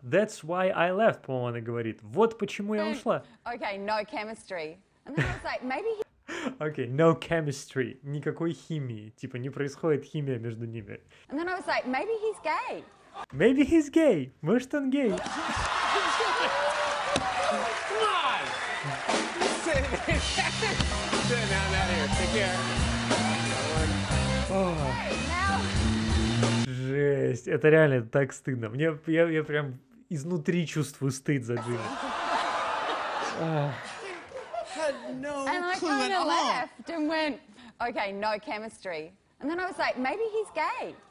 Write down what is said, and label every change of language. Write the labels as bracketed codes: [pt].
[en] That's why I left, [ru] по-моему, она говорит. Вот почему я ушла. [en] Okay, no chemistry. And then I was like, maybe he. Okay, no chemistry. [ru] Никакой химии. Типа не происходит химия между ними. [en] And then I was like, maybe he's gay. Maybe he's gay. [ru] Может он гей? [en] Come on! Sit down out here. Take care. [ru] Oh. Жесть. Это реально так стыдно. Мне я прям изнутри чувствую стыд за Джимми. [en] And I kind of laughed and went, okay, no chemistry. And then I was like, maybe he's gay.